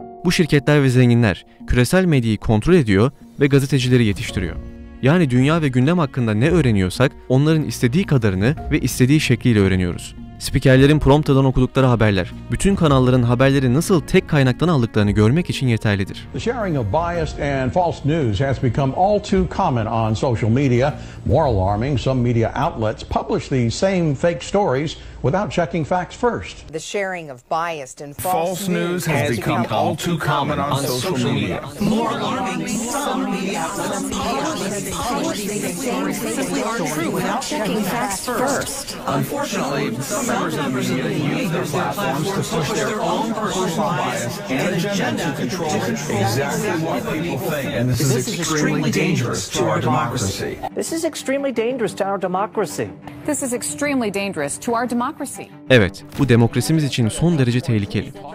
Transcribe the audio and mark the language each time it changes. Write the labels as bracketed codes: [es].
[tr] Bu şirketler ve zenginler küresel medyayı kontrol ediyor ve gazetecileri yetiştiriyor. Yani dünya ve gündem hakkında ne öğreniyorsak onların istediği kadarını ve istediği şekliyle öğreniyoruz. Spikerlerin prompterdan okudukları haberler, bütün kanalların haberleri nasıl tek kaynaktan aldıklarını görmek için yeterlidir. [en] The sharing of biased and false news has become all too common on social media. More alarming, some media outlets publish the same fake stories without checking facts first. The sharing of biased and false news has become all too common on social media. More alarming, some media outlets publish the same fake stories simply aren't true without checking facts first. Unfortunately, [tr] Evet, bu demokrasimiz için son derece tehlikeli.